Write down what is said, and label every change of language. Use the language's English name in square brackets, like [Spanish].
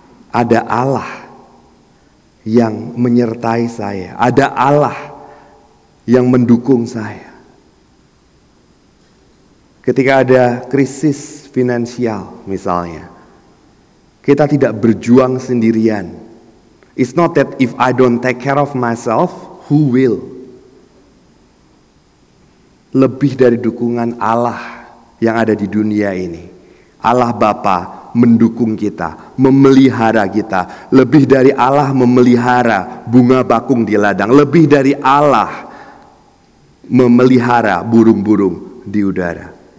[Indonesian] Ada Allah yang menyertai saya. Ada Allah yang mendukung saya. Ketika ada krisis finansial misalnya, kita tidak berjuang sendirian. [English] It's not that if I don't take care of myself, who will? [Indonesian] Lebih dari dukungan Allah yang ada di dunia ini, Allah Bapa mendukung kita, memelihara kita. Lebih dari Allah memelihara bunga bakung di ladang. Lebih dari Allah memelihara burung-burung di udara.